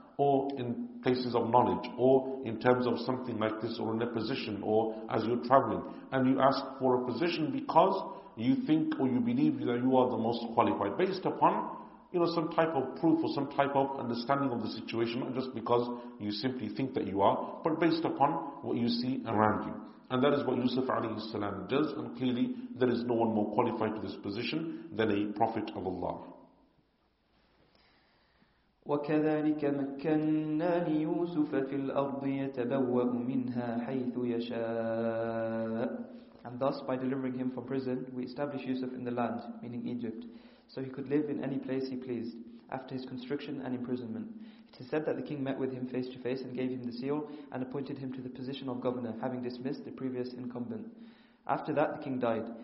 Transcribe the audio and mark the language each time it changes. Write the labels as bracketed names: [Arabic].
[English] Or in places of knowledge, or in terms of something like this, or in a position, or as you're traveling, and you ask for a position because you think or you believe that you are the most qualified, based upon, you know, some type of proof or some type of understanding of the situation, not just because you simply think that you are, but based upon what you see around you. And that is what Yusuf alayhi salam does, and clearly there is no one more qualified to this position than a prophet of Allah. [Arabic] وكذلك مكنا ليوسف في الأرض يتبوأ منها حيث يشاء. [English] And thus by delivering him from prison, we established Yusuf in the land, meaning Egypt, so he could live in any place he pleased after his constriction and imprisonment. It is said that the king met with him face to face and gave him the seal and appointed him to the position of governor, having dismissed the previous incumbent. After that, the king died.